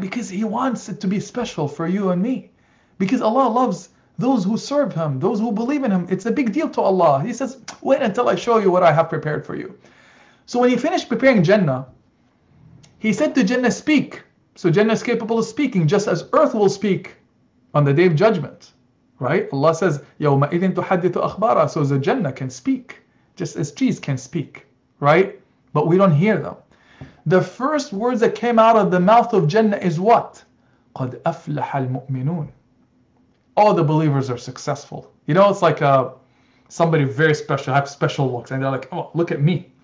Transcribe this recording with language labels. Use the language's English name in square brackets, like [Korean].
[English] Because He wants it to be special for you and me. Because Allah loves those who serve Him, those who believe in Him. It's a big deal to Allah. He says, wait until I show you what I have prepared for you. So when He finished preparing Jannah, He said to Jannah, speak. So Jannah is capable of speaking, just as earth will speak on the Day of Judgment, right? Allah says, [Arabic] يَوْمَ إِذٍ تُحَدِّثُ أَخْبَارًا. [English] So the Jannah can speak, just as trees can speak, right? But we don't hear them. The first words that came out of the mouth of Jannah is what? [Arabic] قَدْ أَفْلَحَ الْمُؤْمِنُونَ. [English] All the believers are successful. You know, it's like somebody very special, have special looks, and they're like, oh, look at me.